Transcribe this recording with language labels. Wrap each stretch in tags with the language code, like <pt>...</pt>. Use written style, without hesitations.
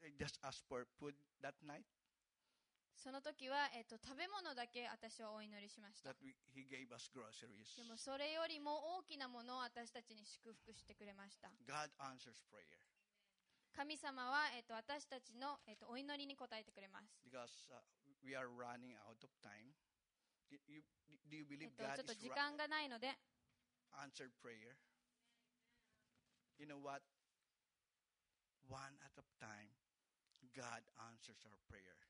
<en>I just asked for food that night.</en> <ja>その時は、食べ物だけ私はお祈りしました。</ja> <en>That we, he gave us groceries.</en> <ja>でもそれよりも大きなものを私たちに祝福してくれました。</ja> <en>God answers prayer.</en> <ja>神様は、私たちの、お祈りに答えてくれます。</ja> <en>Because, we are running out of time. Do you believe</en> <ja>ちょっと時間がないので</ja> <en>answer prayer. You know what? One at a time, God answers our prayer.</en>